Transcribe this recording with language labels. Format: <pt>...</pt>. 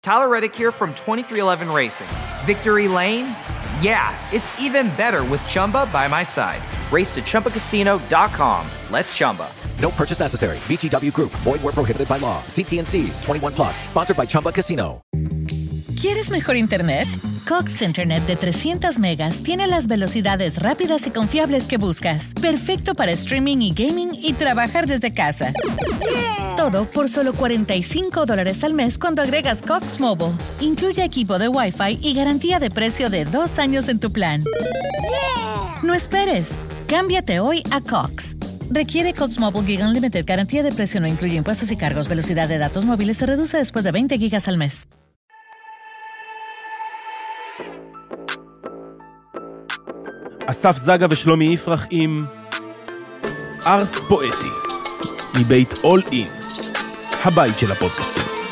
<en>Tyler Reddick here from 2311 Racing. Victory lane? Yeah, it's even better with Chumba by my side. Race to ChumbaCasino.com. Let's Chumba. No purchase necessary. VGW Group. Void where prohibited by law. See T&Cs 21 plus. Sponsored by Chumba Casino.</en> <es>¿Quieres mejor internet? Cox Internet de 300 megas tiene las velocidades rápidas y confiables que buscas. Perfecto para streaming y gaming y trabajar desde casa. Todo por solo $45 al mes cuando agregas Cox Mobile. Incluye equipo de Wi-Fi y garantía de precio de 2 años en tu plan. No esperes. Cámbiate hoy a Cox. Requiere Cox Mobile Gig Unlimited. Garantía de precio no incluye impuestos y cargos. Velocidad de datos móviles se reduce después de 20 gigas al mes.</es> <he>אסף זגה ושלומי יפרח עם ארס פואטי מבית אול אין, הבית של הפודקאסטים.</he>